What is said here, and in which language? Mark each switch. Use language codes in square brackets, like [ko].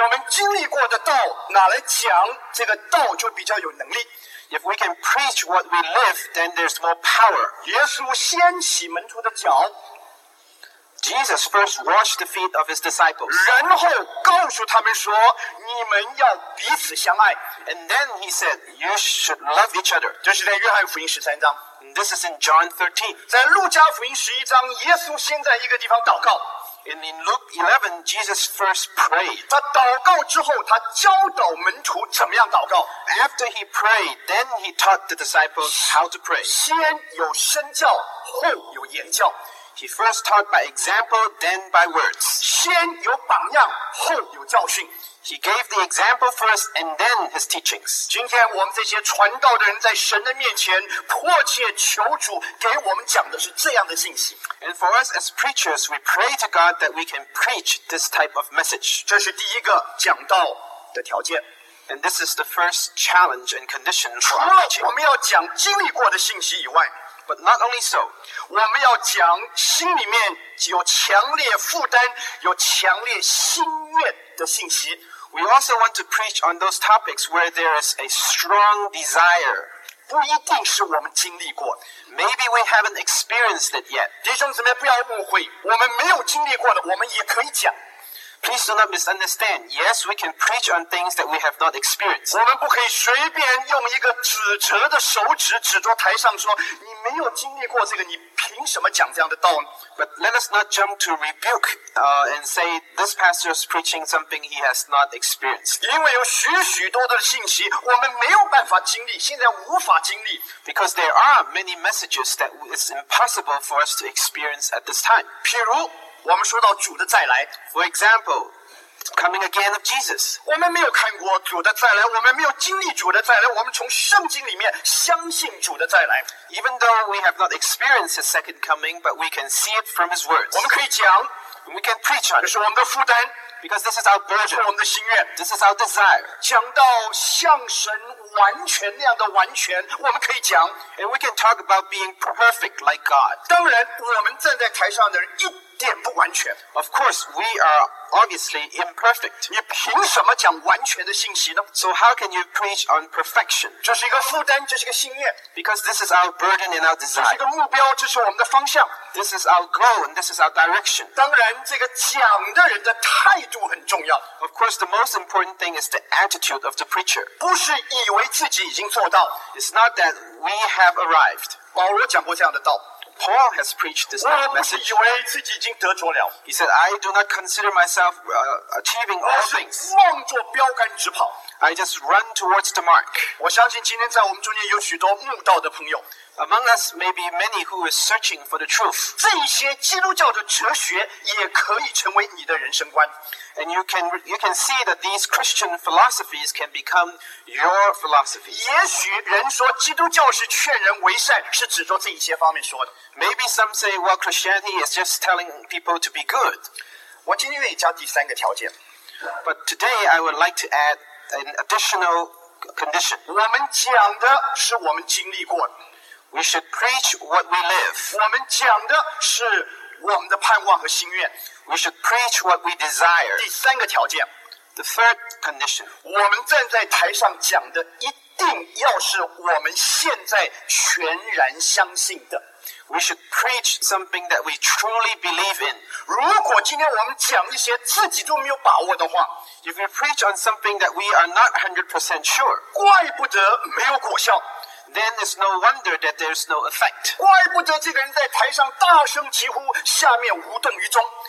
[zh] 我们经历过的道拿来讲，这个道就比较有能力。 [en] If we can preach what we live, then there's more power. [zh] 耶稣先洗门徒的脚。 [en] Jesus first washed the feet of his disciples. [zh] 然后告诉他们说，你们要彼此相爱。 [en] And then he said, you should love each other. [zh] 这是在约翰福音十三章。 [en] And this is in John 13. [zh] 在路加福音十一章，耶稣先在一个地方祷告。 [en] And in Luke 11, Jesus first prayed. [zh] 他祷告之后，他教导门徒怎么样祷告。 [en] After he prayed, then he taught the disciples how to pray. [zh] 先有身教，后有言教。 [en] He first taught by example, then by words. [zh] 先有榜样，后有教训。 [en] He gave the example first, and then his teachings. [zh] 今天我们这些传道的人在神的面前迫切求主给我们讲的是这样的信息。 [en] And for us as preachers, we pray to God that we can preach this type of message. [zh] 这是第一个讲道的条件。 [en] And this is the first challenge and condition for our preaching. [zh] 除了我们要讲经历过的信息以外。 [en] But not only so, [zh] 我们要讲心里面有强烈负担、有强烈心愿的信息。 [en] We also want to preach on those topics where there is a strong desire. [zh] 不一定是我们经历过。 [en] Maybe we haven't experienced it yet. [zh] 弟兄姊妹，不要误会，我们没有经历过的，我们也可以讲。 [en] Please do not misunderstand. Yes, we can preach on things that we have not experienced. [zh] 我们不可以随便用一个指责的手指指着台上说，你没有经历过这个，你凭什么讲这样的道呢？ [en] But let us not jump to rebuke, and say this pastor is preaching something he has not experienced. [zh] 因为有许许多多的信息，我们没有办法经历，现在无法经历。 [en] Because there are many messages that it's impossible for us to experience at this time. [zh] 譬如我们说到主的再来。 [en] For example, coming again of Jesus. [zh] 我们没有看过主的再来，我们没有经历主的再来，我们从圣经里面相信主的再来。 [en] Even though we have not experienced his second coming, but we can see it from his words. [zh] 我们可以讲， [en] we can preach on it. [zh] 这是我们的负担。 [en] Because this is our burden. [zh] 这是我们的心愿。 [en] This is our desire. [zh] 讲到像神完全那样的完全，我们可以讲。 [en] And we can talk about being perfect like God. [zh] 当然，我们站在台上的人一点不完全。 [en] Of course, we are obviously imperfect. [zh] 你凭什么讲完全的信息呢？ [en] So how can you preach on perfection? [zh] 这是一个负担，这是一个心愿。 [en] Because this is our burden and our desire. [zh] 这是一个目标，这是我们的方向。 [en] This is our goal and this is our direction. [zh] 当然，这个讲的人的态度很重要。 [en] Of course, the most important thing is the attitude of the preacher. [zh] 不是以为自己已经做到。 [en] It's not that we have arrived. [zh] 保罗讲过这样的道。 [en] Paul has preached this message. [zh] 我以为自己已经得着了。 [en] He said, I do not consider myself achieving all things. [zh] 我是望着标杆直跑。 [en] I just run towards the mark. [zh] 我相信今天在我们中间有许多慕道的朋友。 [en] Among us may be many who are searching for the truth. [zh] 这些基督教的哲学也可以成为你的人生观。 [en] And you can see that these Christian philosophies can become your philosophies. [zh] 也许人说基督教是劝人为善，是指着这一些方面说的。 [en] Maybe some say, well, Christianity is just telling people to be good. [zh] 我今天愿意加第三个条件。 [en] But today I would like to add an additional condition. [zh] 我们讲的是我们经历过的。 [en] We should preach what we live. [zh] 我们讲的是我们的盼望和心愿。 [en] We should preach what we desire. [zh] 第三个条件。 [en] The third condition. [zh] 我们站在台上讲的一定要是我们现在全然相信的。 [en] We should preach something that we truly believe in. [zh] 如果今天我们讲一些自己都没有把握的话， [en] If we preach on something that we are not 100% sure, [zh] 怪不得没有果效。 [en] Then it's no wonder that there's no effect. [zh] 怪不得这个人在台上大声疾呼，下面无动于衷。